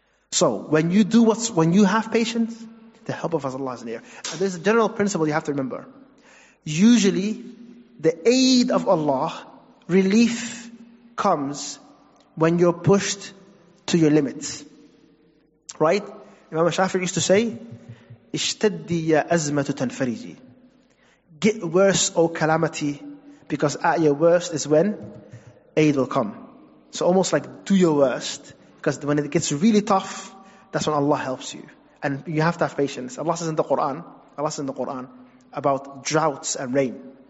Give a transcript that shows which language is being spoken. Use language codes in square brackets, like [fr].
[en] So when you do what's, when you have patience, the help of Allah is near. And there's a general principle you have to remember. Usually, the aid of Allah, relief, comes when you're pushed to your limits. Right? Imam Shafi'i used to say, [ar] اشتدي أزمة تنفرجي. [en] Get worse, O calamity, because at your worst is when aid will come. So almost like do your worst, because when it gets really tough, that's when Allah helps you. And you have to have patience. Allah says in the Quran, about droughts and rain.